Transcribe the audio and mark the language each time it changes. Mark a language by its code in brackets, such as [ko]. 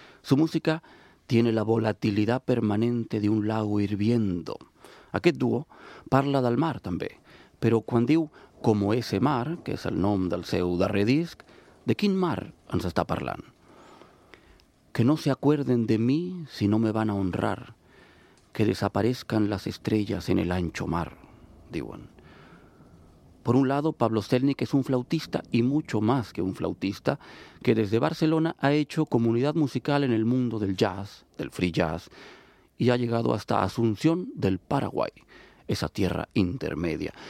[es] Su música tiene la volatilidad permanente de un lago hirviendo. [ca] Aquest dúo parla del mar també, però quan diu Como ese mar, que és el nom del seu darrer disc, de quin mar ens està parlant? [es] Que no se acuerden de mí si no me van a honrar, que desaparezcan las estrellas en el ancho mar, [ca] diuen. [es] Por un lado, Pablo Zelnick es un flautista y mucho más que un flautista, que desde Barcelona ha hecho comunidad musical en el mundo del jazz, del free jazz, y ha llegado hasta Asunción del Paraguay, esa tierra intermedia.